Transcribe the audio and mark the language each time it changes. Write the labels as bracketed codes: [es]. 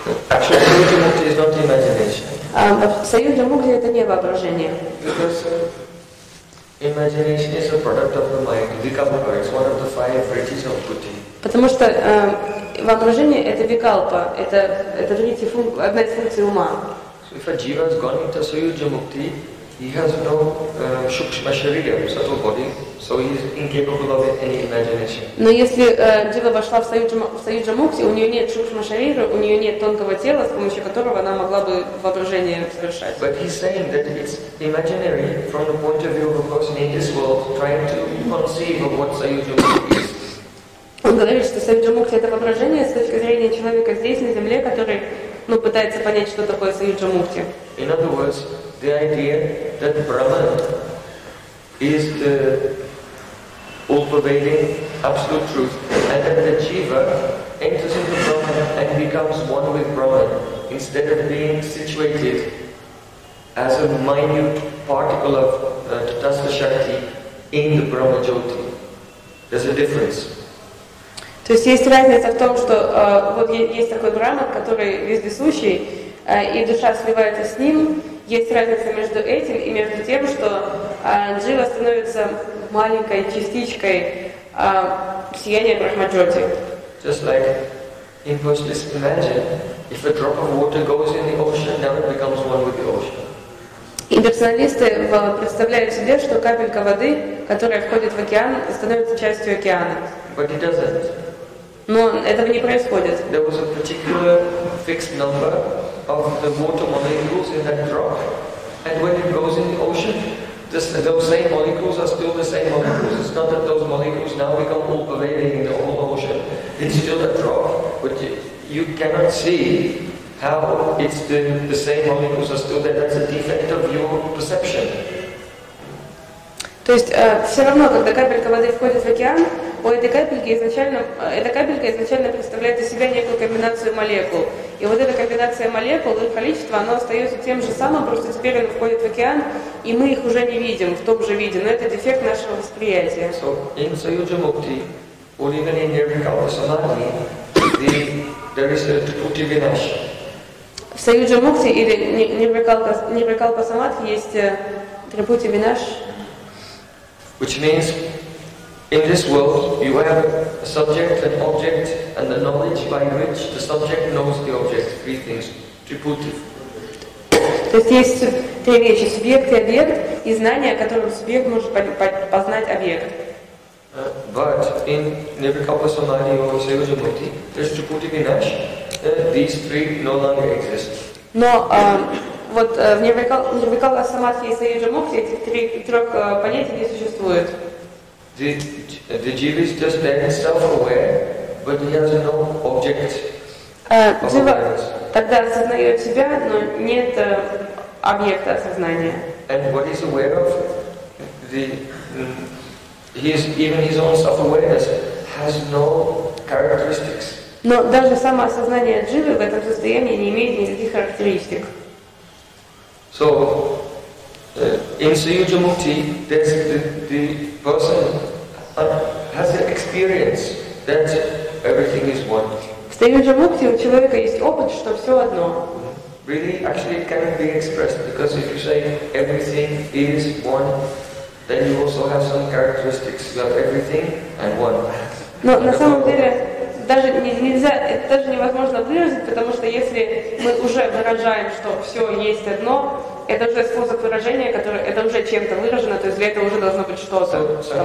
[en] Actually, Saiyuja Mukti is not imagination. [ru] Saiyuja Mukti – это не воображение. [en] Because imagination is a product of the mind, vikalpa. It's one of the five virtues of buddhi. [ru] Потому что воображение – это vikalpa. Это третья функция, одна из функций ума. [en] If a jiva has gone into Saiyuja Mukti, he has no shukshma sharira, subtle body, so he is incapable of any imagination. [ru] Но если jiva вошла в Саюджа Мукти, у нее нет шукшма шарира, у нее нет тонкого тела, с помощью которого она могла бы воображение совершать. [en] But he's saying that it's imaginary from the point of view of a person in this world trying to conceive of what Saiyuja Mukti is. [ru] Он говорит, что Саюджа Мукти это воображение с точки зрения человека здесь, на земле, который ну, пытается понять, что такое Саюджа Мукти. [en] In other words, the idea that Brahman is the all-pervading absolute truth, and that the jiva enters into Brahman and becomes one with Brahman, instead of being situated as a minute particle of Tattvasya Shakti in the Brahma Jyoti. There's a difference. [ru] То есть есть разница в том, что вот есть такой Брахман, который вездесущий, и душа сливается с ним. Есть разница между этим и между тем, что джива становится маленькой частичкой сияния Брахмаджоти. [en] Just like in Buddhist, imagine if a drop of water goes in the ocean, then it becomes one with the ocean. [ru] Имперсоналисты представляют себе, что капелька воды, которая входит в океан, становится частью океана. [en] But it doesn't. [ru] Но этого не происходит. [en] There was a particular fixed number of the water molecules in that drop, and when it goes in the ocean, those same molecules are still the same molecules. It's not that those molecules now become all pervading in the whole ocean. It's still that drop, but you cannot see how it's the same molecules are still there. That's a defect of your perception. [ru] То есть все равно, когда капелька воды входит в океан, у этой капельки изначально, эта капелька изначально представляет из себя некую комбинацию молекул. И вот эта комбинация молекул, их количество, оно остается тем же самым, просто теперь оно входит в океан, и мы их уже не видим в том же виде, но это дефект нашего восприятия. [en] So, in Sayuja Mukti, or even in every Kavasanamani, there is a Tukti Vinash. [ru] В Саюджа Мукти или Нирвикалпа Самадхи есть Трипути Винаш. [en] Which means in this world you have a subject, an object, and the knowledge by which the subject knows the object. Three things. Трипути. [ru] То есть есть три вещи: субъект и объект, и знание, которым субъект может познать объект. [en] But in Nirvikalpa Samadhi or Sayuja Mukti, there's Trupti Vinash. These three no longer exist. [ru] Но вот в Нирвикалпа Самадхи и Саюджа Мукти этих трех понятий не существует. [en] The jiva is just then self-aware, but he has no object. [ru] Jiva тогда осознает себя, но нет объекта осознания. [en] And what is aware of the his even his own self-awareness has no characteristics. [ru] Но даже самоосознание дживы в этом состоянии не имеет никаких характеристик. [en] So, in Sayuja Mukti, the person has the experience that everything is one. [ru] В Sayuja Mukti у человека есть опыт, что все одно. [en] Really, actually, it cannot be expressed, because if you say everything is one, then you also have some characteristics. You have everything and one. [ru] Но на самом деле даже нельзя, это даже невозможно выразить, потому что если мы уже выражаем, что все есть одно, это уже способ выражения, который это уже чем-то выражено, то есть для этого уже должно быть что-то.